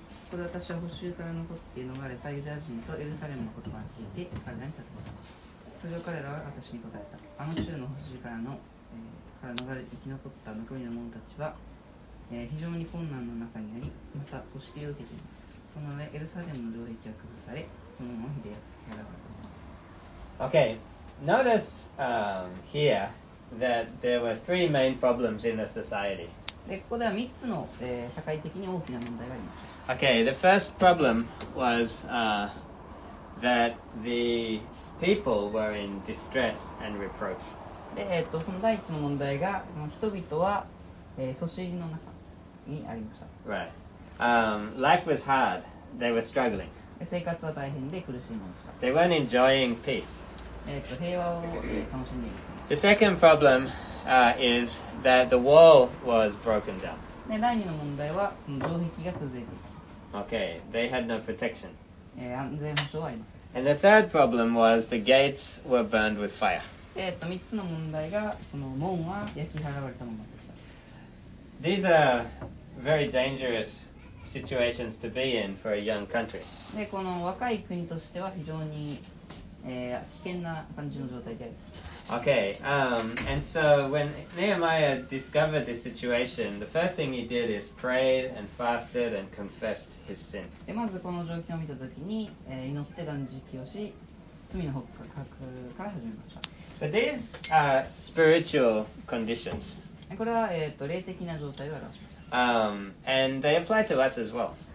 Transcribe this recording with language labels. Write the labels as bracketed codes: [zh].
[ja] これ私は捕囚から残って逃れたユダヤ人とエルサレムの言葉について彼らに尋ねた。それを彼らは私に答えた。あの州の捕囚から逃れ生き残った残りの者たちは、非常に困難の中にあり、また組織を受けています。その上エルサレムの領域は崩され、そのままでやられています。 [en] Okay, notice here that there were three main problems in the society. [ja] でここでは3つの、社会的に大きな問題があります。 [en] Okay, the first problem was that the people were in distress and reproach. [ja] で、その第一の問題が、その人々は、訴訟の中にありました。 [en] Right. Life was hard. They were struggling. [ja] 生活は大変で苦しんでいました。 [en] They weren't enjoying peace. [ja] 平和を楽しんでいる。 [en] The second problem is that the wall was broken down. [ja] で、第二の問題は、その城壁が崩れている。 [en] Okay, they had no protection. [ja] 安全保障はありません。 [en] And the third problem was the gates were burned with fire. [ja] 3つの問題が、その門は焼き払われたものでした。 [en] These are very dangerous situations to be in for a young country. [ja] で、この若い国としては非常に、危険な感じの状態である。 [en] Okay, and so when Nehemiah discovered this situation, the first thing he did is prayed and fasted and confessed. [ja] でまずこの状況を見たときに、祈って断食をし、罪の告白から始めました。 [en] But these are spiritual conditions. [ja] これは、霊的な状態を表します。 [en] And they apply to us as well.